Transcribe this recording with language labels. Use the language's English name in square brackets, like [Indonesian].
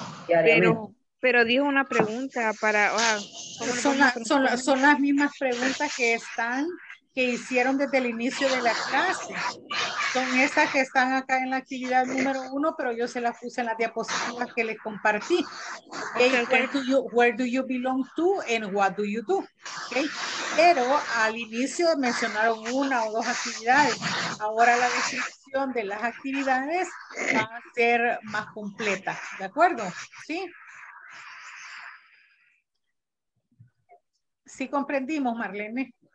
[Spanish] ¿Qué haremos? Pero dijo una pregunta para... Wow, son las mismas preguntas que están, que hicieron desde el inicio de la clase. Son estas que están acá en la actividad número 1, pero yo se las puse en las diapositivas que les compartí. [English] Okay, okay. Where do you belong to and what do you do? Okay. [Spanish] Pero al inicio mencionaron una o dos actividades. Ahora la descripción de las actividades va a ser más completa. ¿De acuerdo? Sí. Sí comprendimos, Marlene.